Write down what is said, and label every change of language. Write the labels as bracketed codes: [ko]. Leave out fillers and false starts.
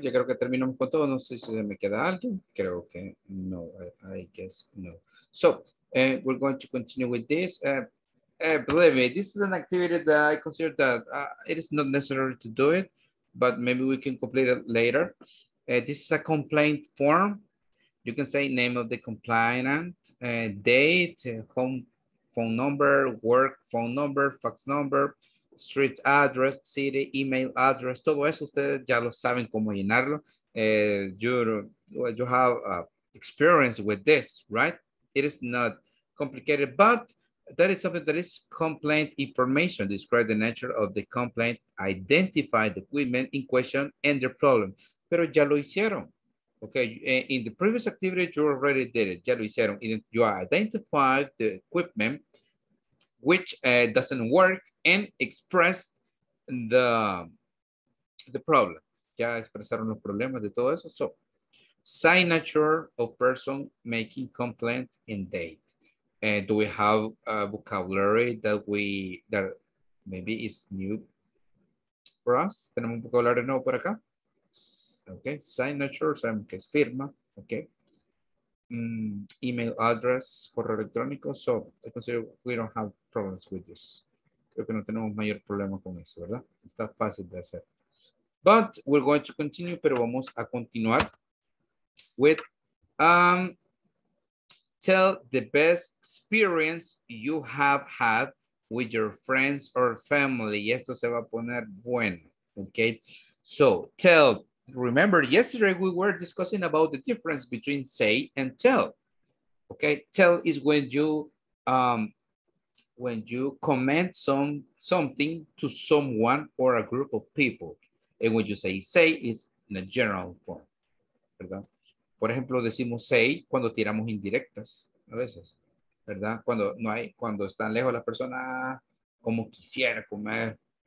[es] Ya creo que terminamos con todo. No sé si se me queda alguien. Creo que no. [en] I guess no. So. And we're going to continue with this. Believe me, this is an activity that I consider that it is not necessary to do it, but maybe we can complete it later. This is a complaint form. You can say name of the complainant, date, home phone number, work phone number, fax number, street address, city, email address. [es] Todo eso ustedes ya lo saben cómo llenarlo. [en] You have experience with this, right? It is not complicated, but that is something that is complaint information. Describe the nature of the complaint, identify the equipment in question and the problem. [es] Pero ya lo hicieron. [en] Okay, in the previous activity, you already did it. [es] Ya lo hicieron. [en] You identified the equipment which doesn't work and expressed the problem. [es] Ya expresaron los problemas de todo eso. [en] So, signature of person making complaint and date. And do we have a vocabulary that we, that maybe is new for us? [es] ¿Tenemos un vocabulario nuevo por acá? Okay, signature, sabemos que es firma, okay. [en] Email address, correo electrónico, so I consider we don't have problems with this. [es] Creo que no tenemos mayor problema con eso, ¿verdad? Está fácil de hacer. [en] But we're going to continue, [es] pero vamos a continuar [en] with tell the best experience you have had with your friends or family. [es] Y esto se va a poner bueno, okay. [en] So tell. Remember, yesterday we were discussing about the difference between say and tell. Okay, tell is when you comment something to someone or a group of people, and when you say is in a general form. [es] ¿Verdad? Por ejemplo, decimos say cuando tiramos indirectas a veces, ¿verdad? Cuando no hay, cuando están lejos las personas, como quisiera comer.